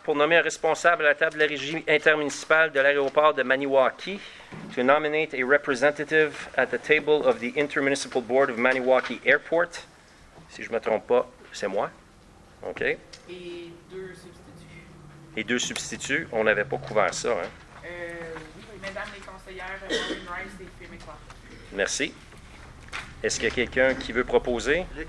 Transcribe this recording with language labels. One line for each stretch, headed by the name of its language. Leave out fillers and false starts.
French: Pour nommer un responsable à la table de la régie intermunicipale de l'aéroport de Maniwaki.
English: To nominate a representative at the table of the Intermunicipal Board of Maniwaki Airport.
French: Si je ne me trompe pas, c'est moi. OK. Et deux substituts. Et deux substituts. On n'avait pas couvert ça. Hein? Mesdames les conseillères, Maureen Rice et Fémécois. Merci. Est-ce qu'il y a quelqu'un qui veut proposer?